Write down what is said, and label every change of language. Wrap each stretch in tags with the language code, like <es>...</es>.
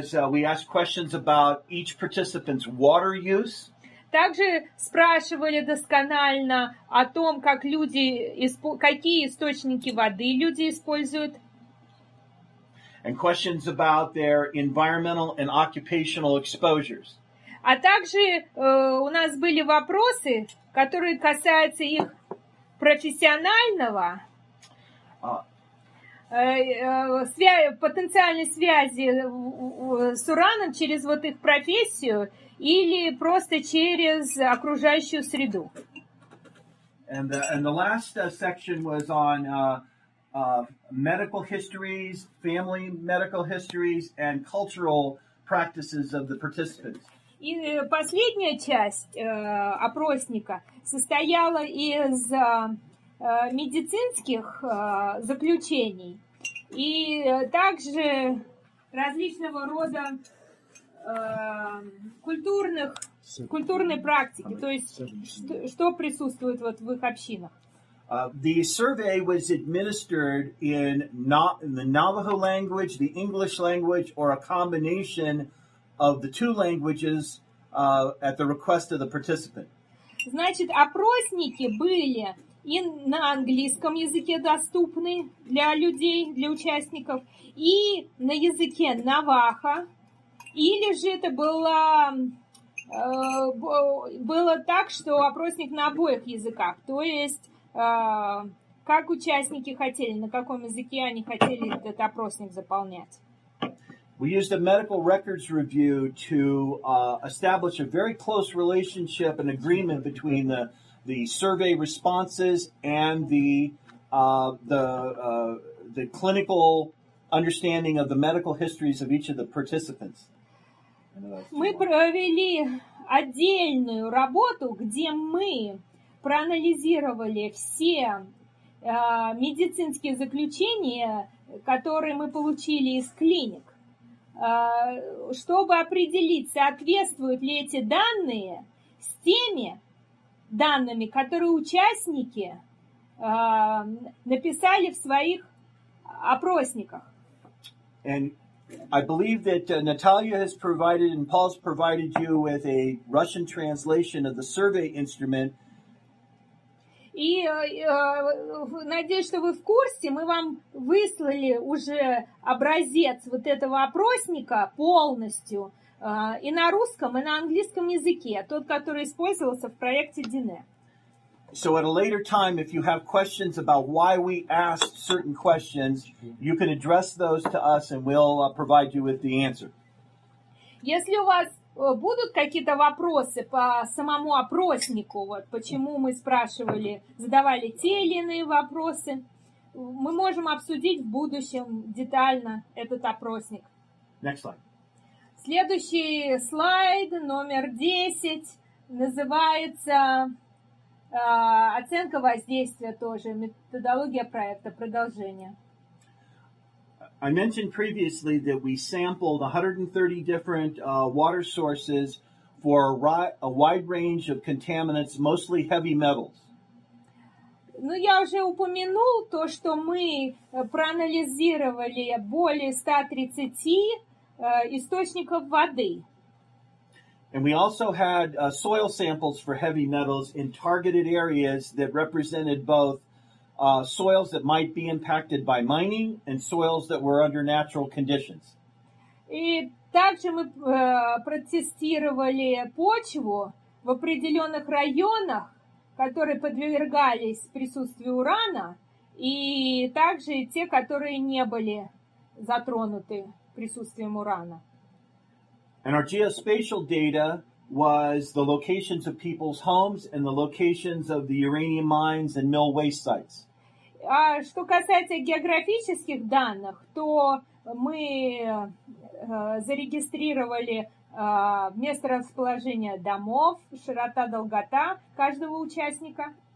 <en>We asked questions about each participant's water use.</en> <ru>Также спрашивали досконально о том, как люди, какие источники воды люди используют.</ru> <en>And questions about their environmental and occupational exposures.</en> <ru>А также у нас были вопросы, которые касаются их профессионального потенциальной связи с ураном через вот их профессию или просто через окружающую среду.</ru> <en>And the last section was on medical histories, family medical histories, and cultural practices of the participants.</en> <ru>И последняя часть опросника состояла из медицинских заключений и также различного рода культурной практики, то есть что присутствует вот в их общинах.</ru> <en>The survey was administered in the Navajo language, the English language, or a combination of the two languages at the request of the participant.</en> <ru>Значит, опросники были и на английском языке доступны для людей, для участников, и на языке Навахо, или же это было так, что опросник на обоих языках, то есть как участники хотели, на каком языке они хотели этот опросник заполнять.</ru> <en>We used a medical records review to establish a very close relationship and agreement between the survey responses and the clinical understanding of the medical histories of each of the participants.</en> <ru>Мы провели отдельную работу, где мы проанализировали все медицинские заключения, которые мы получили из клиник, чтобы определить, соответствуют ли эти данные с теми данными, которые участники написали в своих опросниках.</ru> <en>And I believe that Natalia has provided and Paul's provided you with a Russian translation of the survey instrument.</en> <ru>И надеюсь, что вы в курсе, мы вам выслали уже образец вот этого опросника полностью и на русском, и на английском языке, тот, который использовался в проекте DINE.</ru> <en>So at a later time, if you have questions about why we asked certain questions, you can address those to us and we'll provide you with the answer.</en> <ru>Если у вас будут какие-то вопросы по самому опроснику, вот почему мы спрашивали, задавали те или иные вопросы, мы можем обсудить в будущем детально этот опросник.</ru> <en>Next slide.</en> <ru>Следующий слайд, номер 10, называется оценка воздействия тоже, методология проекта, продолжение.</ru> <en>I mentioned previously that we sampled 130 different water sources for a wide range of contaminants, mostly heavy metals.</en> <ru>Ну, я уже упомянул то, что мы проанализировали более 130 источников воды.</ru> <en>And we also had soil samples for heavy metals in targeted areas that represented both soils that might be impacted by mining and soils that were under natural conditions.</en> <ru>И также мы протестировали почву в определенных районах, которые подвергались присутствию урана, и также те, которые не были затронуты присутствием урана.</ru> <en>And our geospatial data was the locations of people's homes and the locations of the uranium mines and mill waste sites.</en> <ru>А что касается географических данных, то мы зарегистрировали место расположения домов, широта, долгота каждого участника.</ru>